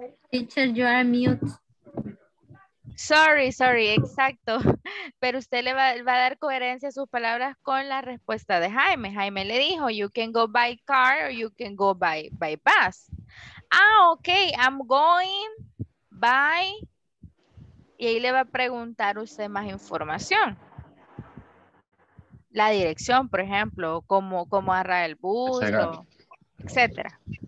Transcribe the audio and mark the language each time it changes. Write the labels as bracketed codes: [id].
[en] Teacher, you are mute. [es] Sorry, exacto. Pero usted le va a dar coherencia a sus palabras con la respuesta de Jaime. Jaime le dijo, [en] you can go by car or you can go by bus. Ah, ok, I'm going by. [es] Y ahí le va a preguntar usted más información. La dirección, por ejemplo, cómo agarrar el bus, etcétera.